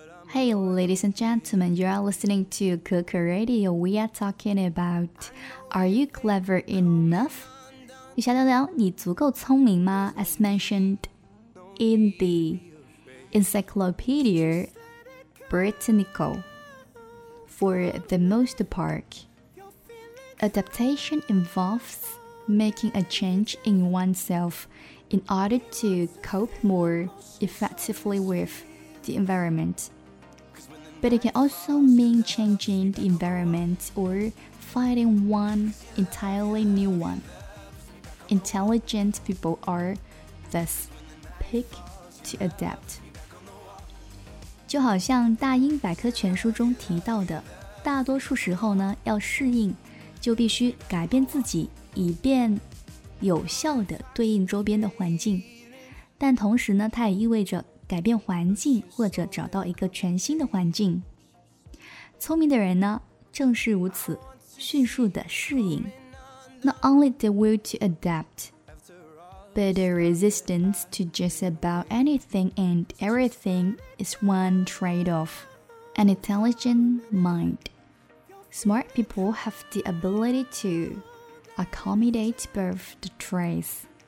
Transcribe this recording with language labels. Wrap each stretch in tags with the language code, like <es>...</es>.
<en>Hey, ladies and gentlemen, you are listening to Coco Radio. We are talking about Are you clever enough?</en> <zh>你想聊聊你足够聪明吗?</zh> <en>As mentioned in the Encyclopedia Britannica, for the most part, adaptation involves making a change in oneself in order to cope more effectively with the environment. But it can also mean changing the environment or finding one entirely new one. Intelligent people are thus quick to adapt.</en> <zh>就好像大英百科全书中提到的，大多数时候呢，要适应，就必须改变自己，以便有效地对应周边的环境。但同时呢，它也意味着改变环境或者找到一个全新的环境。聪明的人呢，正是如此，迅速的适应。</zh> <en>Not only the will to adapt, but the resistance to just about anything and everything is one trait of an intelligent mind. Smart people have the ability to accommodate both the traits.</en>